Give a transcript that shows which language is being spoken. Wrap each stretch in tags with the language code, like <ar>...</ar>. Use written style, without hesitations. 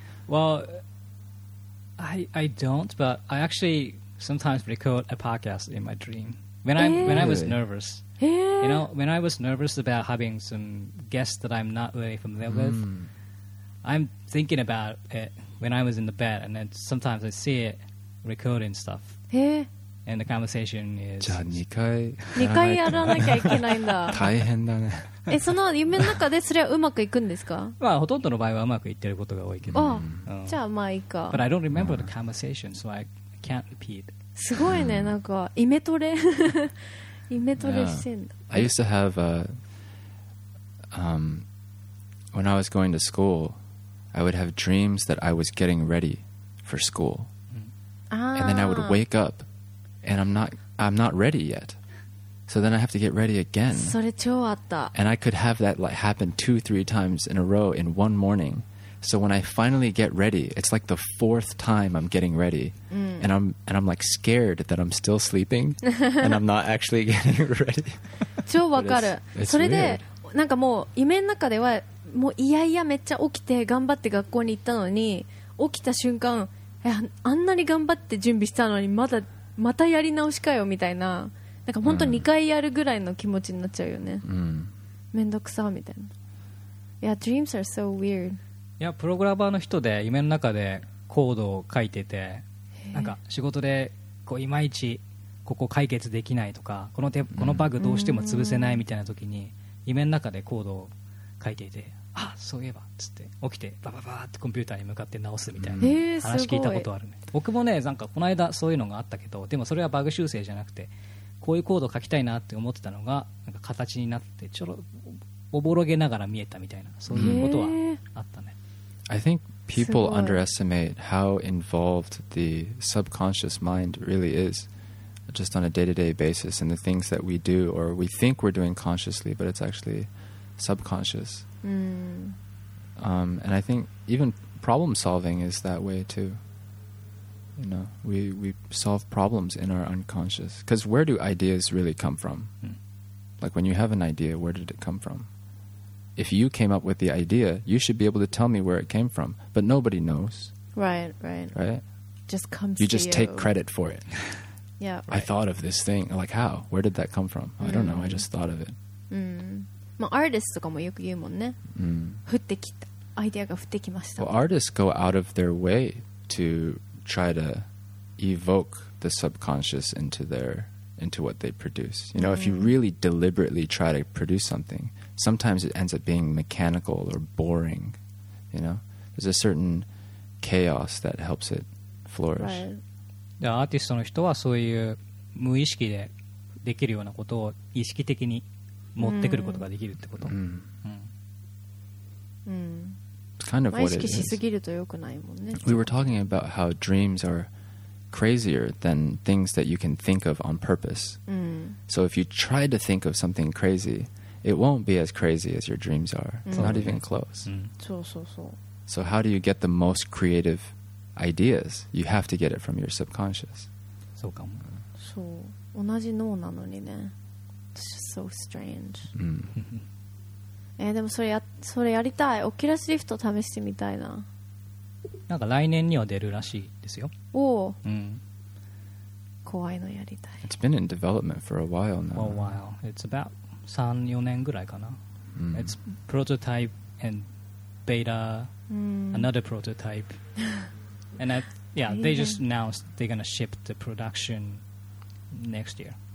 <en>Well, I don't, but I actually sometimes record a podcast in my dream. When I was nervous. You know, when I was nervous about having some guests that I'm not really familiar with, I'm thinking about it when I was in the bed, and then sometimes I see it recording stuff. Yeah. And the conversation is...</en> <ja>じゃあ2回やらなきゃいけないんだ。大変だね。え、その夢の中でそれはうまくいくんですか？まあ、ほとんどの場合はうまくいってることが多いけど。ああ、じゃあまあいいか。</ja> <en>But I don't remember the conversation, so I can't repeat.</en> <ja>すごいね、なんか、イメトレ。イメトレしてんだ。</ja> <en>Yeah. I used to have a... when I was going to school, I would have dreams that I was getting ready for school. And then I would wake up. And I'm not ready yet. So then I have to get ready again.</en> <ja>それ超あった。</ja> <en>And I could have that like happen 2-3 times in a row in one morning. So when I finally get ready, it's like the fourth time I'm getting ready. And I'm like scared that I'm still sleeping. And I'm not actually getting ready.</en> <ja>超わかる。それで、</ja> <en>weird.</en> <ja>なんかもう夢の中ではもういやいやめっちゃ起きて頑張って学校に行ったのに、起きた瞬間、あんなに頑張って準備したのにまだまたやり直しかよみたいな、なんか本当に2回やるぐらいの気持ちになっちゃうよね、うん、めんどくさみたいな。</ja> <en>Yeah, dreams are so weird.</en> <ja>いや、プログラマーの人で夢の中でコードを書いてて、なんか仕事でこういまいちここ解決できないとか、このバグどうしても潰せないみたいな時に、うん、夢の中でコードを書いていて、あ、そういえばつって起きてバババーってコンピューターに向かって直すみたいな、話聞いたことあるね。僕もね、なんかこの間そういうのがあったけど、でもそれはバグ修正じゃなくて、こういうコード書きたいなって思ってたのがなんか形になって、ちょろおぼろげながら見えたみたいな、そういうことはあったね。</ja> <en>I think people underestimate how involved the subconscious mind really is just on a day-to-day basis and the things that we do or we think we're doing consciously, but it's actually subconscious. And I think even problem solving is that way too. You know, we solve problems in our unconscious. Because where do ideas really come from? Like when you have an idea, where did it come from? if you came up with the idea, you should be able to tell me where it came from. But nobody knows. Right, right. Right? Just comes to you. You just take credit for it. Yeah. Right. I thought of this thing. Like, how? Where did that come from? Mm. I don't know. I just thought of it. Mm.</en> <ja>まあ、アーティストとかもよく言うもんね。 Mm. 降ってきた。アイデアが降ってきました。</ja> <en>Well, artists go out of their way to try to evoke the subconscious into their... into what they produce. You know, mm. if you really deliberately try to produce something, sometimes it ends up being mechanical or boring, you know? There's a certain chaos that helps it flourish. Right.</en> <ja>アーティストの人はそういう無意識でできるようなことを意識的に持ってくることができるってこと。 Mm. Mm.</ja> <en>It's kind of what it is.</en> <ja>意識しすぎると良くないもんね。</ja> <en>We were talking about how dreams are... crazier than things that you can think of on purpose. Mm. So if you try to think of something crazy, it won't be as crazy as your dreams are. It's mm. not even close. Mm. So, so, so. So how do you get the most creative ideas? You have to get it from your subconscious.</en> <ja>そうかも。そう。同じ脳なのにね。</ja> <en>It's just so strange. Mm.</en> <ja>でもそれやりたい。オキラスリフト試してみたいな。なんか来年には出るらしいですよ。おうん、怖いのやりたい。</ja> <en>It's been in development for a while now. For a while. It's about</en> <ja>3、4年ぐらいかな。 Mm.</ja> <en>It's prototype and beta,、mm. another prototype. And that, yeah, they just announced they're going to ship the production next year.</en>